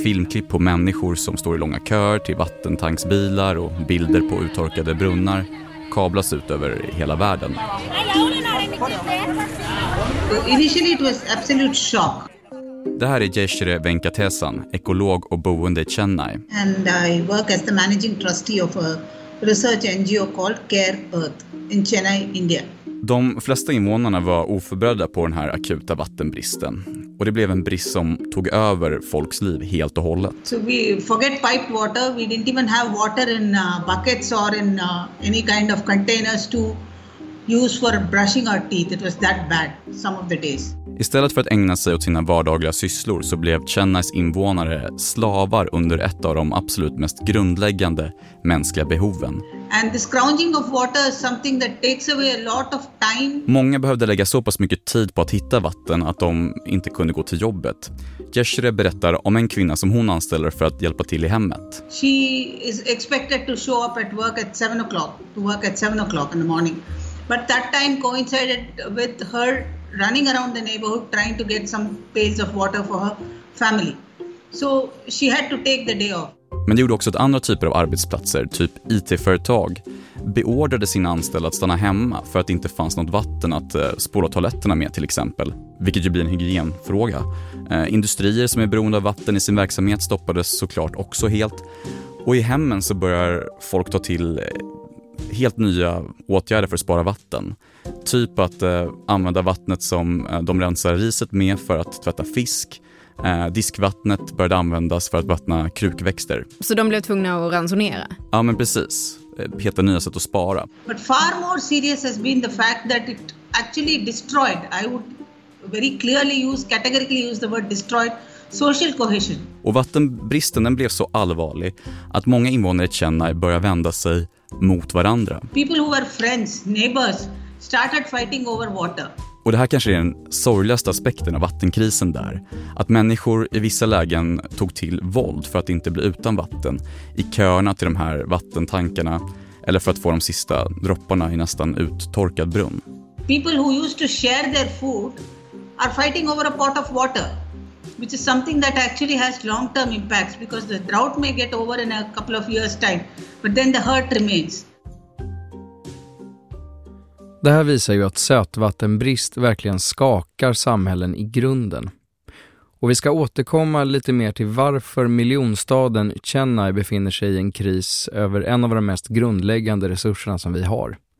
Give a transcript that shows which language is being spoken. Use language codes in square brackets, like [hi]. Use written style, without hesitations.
[sv] Filmklipp på människor som står i långa köer till vattentanksbilar och bilder på uttorkade brunnar kablas ut över hela världen. [en] Initially it was absolute shock. [sv] Det här är Jeshre Venkatesan, ekolog och boende i Chennai. [en] And I work as the managing trustee of a research NGO called Care Earth in Chennai, India. [sv] De flesta invånarna var oförberedda på den här akuta vattenbristen. Och det blev en brist som tog över folks liv helt och hållet. [en] So we forget piped water. We didn't even have water in buckets or in any kind of containers to use for brushing our teeth. It was that bad some of the days. [sv] Istället för att ägna sig åt sina vardagliga sysslor så blev Chennais invånare slavar under ett av de absolut mest grundläggande mänskliga behoven. [en] And this scrounging of water is something that takes away a lot of time. [sv] Många behövde lägga så pass mycket tid på att hitta vatten att de inte kunde gå till jobbet. Jeshre berättar om en kvinna som hon anställer för att hjälpa till i hemmet. [en] She is expected to show up at work at 7 o'clock, to work at 7 o'clock in the morning. But that time coincided with her running around the neighborhood trying to get some pails of water for her family. So she had to take the day off. [sv] Men det gjorde också att andra typer av arbetsplatser, typ IT-företag, beordrade sina anställda att stanna hemma för att det inte fanns något vatten att spola toaletterna med till exempel. Vilket ju blir en hygienfråga. Industrier som är beroende av vatten i sin verksamhet stoppades såklart också helt. Och i hemmen så börjar folk ta till helt nya åtgärder för att spara vatten. Typ att använda vattnet som de rensar riset med för att tvätta fisk. Diskvattnet började användas för att vattna krukväxter. Så de blev tvungna att ransonera? Ja, men precis. Helt nya sätt att spara. [en] But far more serious has been the fact that it actually destroyed. I would very clearly use, categorically use the word destroyed social cohesion. [sv] Och vattenbristen den blev så allvarlig att många invånare i Chennai började vända sig mot varandra. [en] People who were friends, neighbors started fighting over water. [sv] Och det här kanske är den sorgligaste aspekten av vattenkrisen där. Att människor i vissa lägen tog till våld för att inte bli utan vatten. I köerna till de här vattentankarna. Eller för att få de sista dropparna i nästan uttorkad brunn. [en] People who used to share their food are fighting over a pot of water. Which is something that actually has long-term impacts. Because the drought may get over in a couple of years time. But then the hurt remains. [sv] Det här visar ju att sötvattenbrist verkligen skakar samhällen i grunden. Och vi ska återkomma lite mer till varför miljonstaden Chennai befinner sig i en kris över en av de mest grundläggande resurserna som vi har.